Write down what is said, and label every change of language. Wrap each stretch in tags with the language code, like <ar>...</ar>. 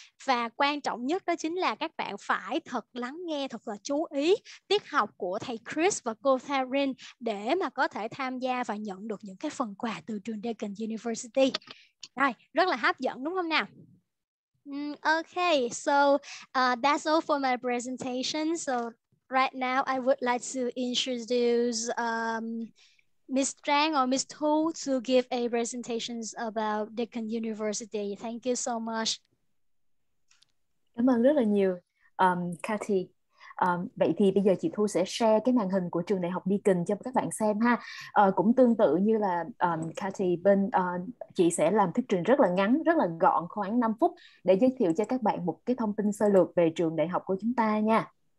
<vi>Và quan trọng nhất đó chính là các bạn phải thật lắng nghe, thật là chú ý tiết học của thầy Chris và cô Kathryn để mà có thể tham gia và nhận được những cái phần quà từ trường Deakin University. Rồi, rất là hấp dẫn đúng không nào?</vi> <en>Okay, so that's all for my presentation. So right now I would like to introduce Ms. Trang or Ms. Thu to give a presentation about Deakin University. Thank you so much.</en> <vi>Cảm ơn rất là nhiều, Cathy. Vậy thì bây giờ chị Thu sẽ share cái màn hình của trường đại học Deakin cho các bạn xem ha. Cũng tương tự như là Cathy bên, chị sẽ làm thuyết trình rất là ngắn, rất là gọn, khoảng 5 phút để giới thiệu cho các bạn một cái thông tin sơ lược về trường đại học của chúng ta nha.</vi>